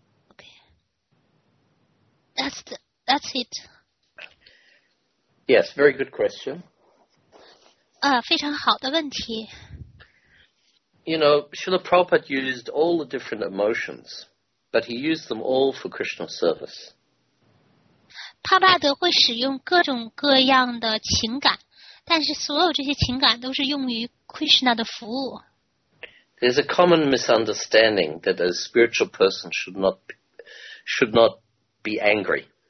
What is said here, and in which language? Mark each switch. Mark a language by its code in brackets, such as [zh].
[en] Okay. That's it. Yes, very good question. [zh] 非常好的问题。 [en] You know, Srila Prabhupada used all the different emotions, but he used them all for Krishna service. [zh] 帕巴德会使用各种各样的情感，但是所有这些情感都是用于 Krishna 的服务。 [en] There's a common misunderstanding that a spiritual person should not be angry.